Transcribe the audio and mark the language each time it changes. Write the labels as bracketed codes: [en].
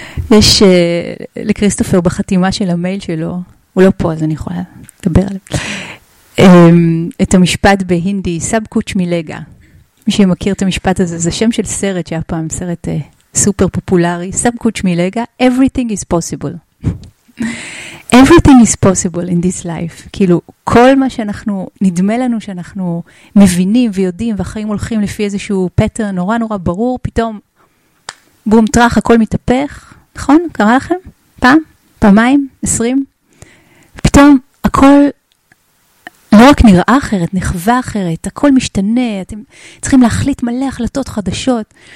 [he] יש לקריסטופר בחתימה של המייל שלו, הוא לא פה אז אני יכולה לדבר עליו, את המשפט בהינדי, סאב קוץ' מילגה. מי שמכיר את המשפט הזה, זה שם של סרט שהיה פעם, סרט סופר פופולרי, סאב קוץ' מילגה, [en] everything is possible. everything is possible in this life. [he] כאילו, כל מה שאנחנו, נדמה לנו שאנחנו מבינים ויודעים, והחיים הולכים לפי איזשהו פטרן נורא נורא ברור, פתאום בום טרח, הכל מתהפך, נכון? קרה לכם? פעם? פעמיים? 20? פתאום הכל לא רק נראה אחרת, נחווה אחרת, הכל משתנה, אתם צריכים להחליט מלא החלטות חדשות.